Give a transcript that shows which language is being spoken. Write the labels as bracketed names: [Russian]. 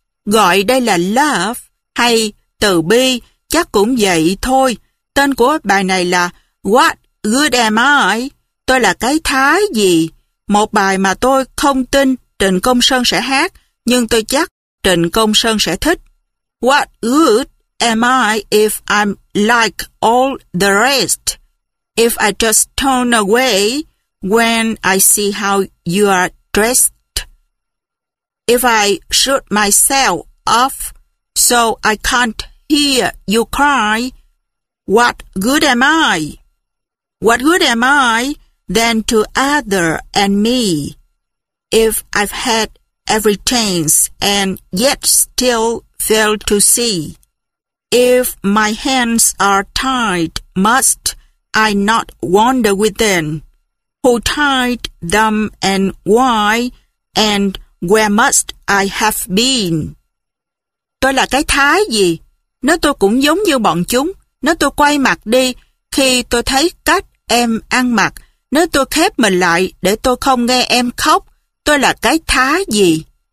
[Vietnamese] Gọi đây là love hay từ bi chắc cũng vậy thôi. Tên của bài này là What Good Am I? Tôi là cái thái gì? Một bài mà tôi không tin Trịnh Công Sơn sẽ hát, nhưng tôi chắc Trịnh Công Sơn sẽ thích. [English] What good am I if I'm like all the rest? If I just turn away when I see how you are dressed? If I shut myself off so I can't hear you cry? What good am I? What good am I then to other and me? If I've had every chance and yet still fail to see? If my hands are tied, must I not wander within? Who tied them and why? And where must I have been? [Vietnamese] Tôi là cái thái gì? nếu tôi cũng giống như bọn chúng, nếu tôi quay mặt đi khi tôi thấy cách em ăn mặc, nếu tôi khép mình lại để tôi không nghe em khóc, tôi là cái thá gì?